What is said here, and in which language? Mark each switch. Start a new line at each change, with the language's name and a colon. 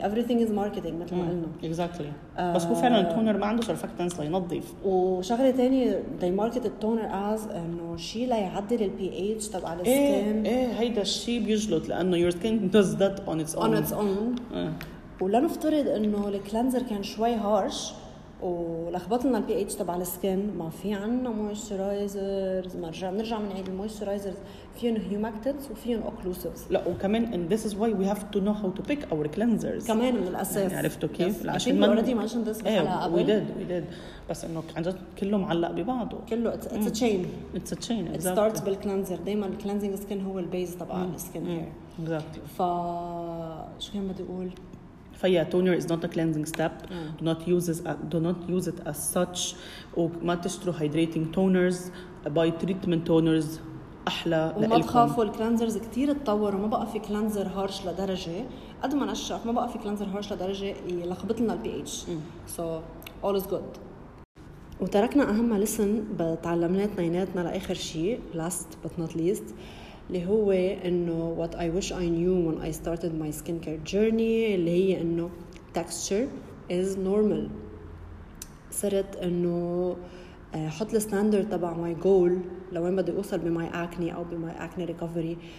English: Everything is marketing
Arabic: مثل ما قلنا.
English: Exactly.
Arabic: بس هو فعلا التونر ما عنده سرفكتنس لينظيف. وشغلة تانية
English: they market the toner as
Arabic: انه شيء ليعدل ال pH تبع ال skin. ايه هيدا الشيء بيجلط لانه
English: your skin does that on its own. On its own.
Arabic: ولنفترض انه الكلانزر كان شوي هارش ولخبطنا ال pH تبع السكن ما في عنا مويسترايزرز نرجع من عيد المويسترايزرز فيهن هيومكتنس وفيهن أوكلوسيفز لا وكمان
English: and this is why we have to know how to pick our cleansers
Arabic: كمان من الأساس يعني عرفتوا كيف عشان من
English: already mentioned this
Arabic: بحلقة قبل
English: we did
Arabic: بس انه عن جد كله معلق ببعضه كله
English: it's a chain it's a chain it exactly. starts
Arabic: بالكلانزر دايما الكلانزينج سكن هو البيز تبع السكن هير
English: exactly
Arabic: فشو كان بدي اقول
English: فيا toner is not a cleansing step. Do not use it as such.
Arabic: وما تشتروا hydrating toners.
English: Buy treatment toners.
Arabic: أحلى. وما تخافوا الكلانزرز كتير تطور وما بقى في كلانزر هارش لدرجة. قد ما نشرح ما بقى في كلانزر هارش لدرجة يلخبط لنا pH.
English: So all is good.
Arabic: وتركنا أهم lesson بتعلمنا تنيناتنا لآخر شيء.
English: Last but not least.
Arabic: اللي هو إنه
English: what I wish I knew when I started my skincare journey
Arabic: اللي هي إنه
English: texture is normal
Arabic: صرت إنه حط الستاندرد تبع
English: my goal
Arabic: لوين بدي أوصل
English: بmy acne أو بmy acne recovery